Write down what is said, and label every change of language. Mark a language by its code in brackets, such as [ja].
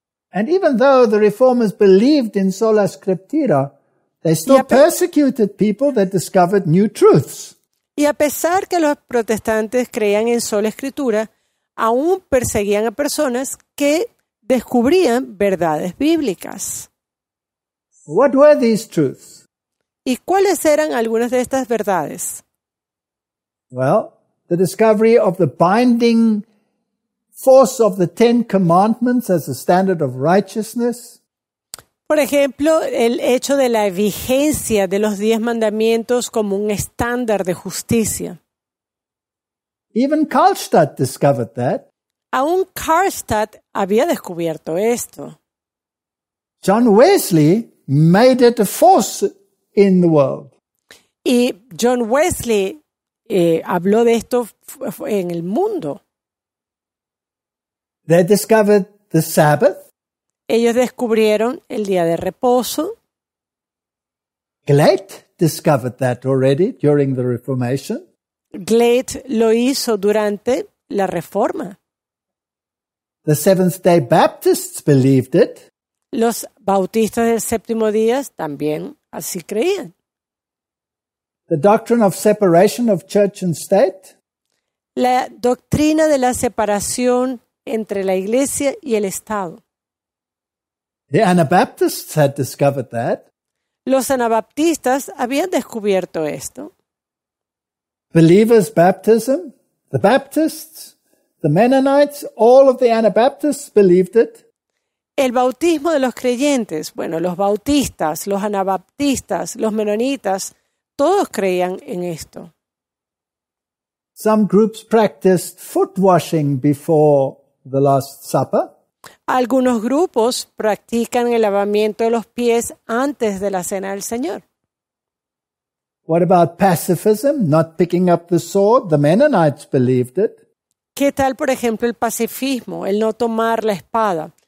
[en] And even though the reformers believed in sola scriptura, they still persecuted people that discovered new truths. [es] Y a pesar que los protestantes creían en sola escritura, aún perseguían a personas que descubrían verdades bíblicas. [en] What were these truths? [es] ¿Y cuáles eran algunas de estas verdades? [en] Well, the discovery of the binding force of the Ten Commandments as a standard of righteousness. [es] Por ejemplo, el hecho de la vigencia de los 10 mandamientos como un estándar de justicia. [en] Even Karlstadt discovered that. [es] Aún Karlstadt había descubierto esto. [en] John Wesley made it a force in the world. [es] Y John Wesley habló de esto en el mundo. [en] They discovered the Sabbath. [es] Ellos descubrieron el día de reposo. [en] Gleit discovered that already during the Reformation. [es] Gleit lo hizo durante la Reforma. [en] The Seventh-day Baptists believed it. [es] Los bautistas del séptimo día también así creían. [en] The doctrine of separation of church and state. [es] La doctrina de la separación entre la iglesia y el Estado. [en] The Anabaptists had discovered that. [es] Los anabaptistas habían descubierto esto. [en] Believers' baptism, the Baptists, the Mennonites, all of the Anabaptists believed it. [es] El bautismo de los creyentes, bueno, los bautistas, los anabaptistas, los menonitas, todos creían en esto. [en] Some groups practiced foot washing before the Last Supper. [es] Algunos grupos practican el lavamiento de los pies antes de la cena del Señor. [en] What about pacifism? Not picking up the sword? The Mennonites believed it. [es] ¿Qué tal, por ejemplo, el pacifismo, el no tomar la espada?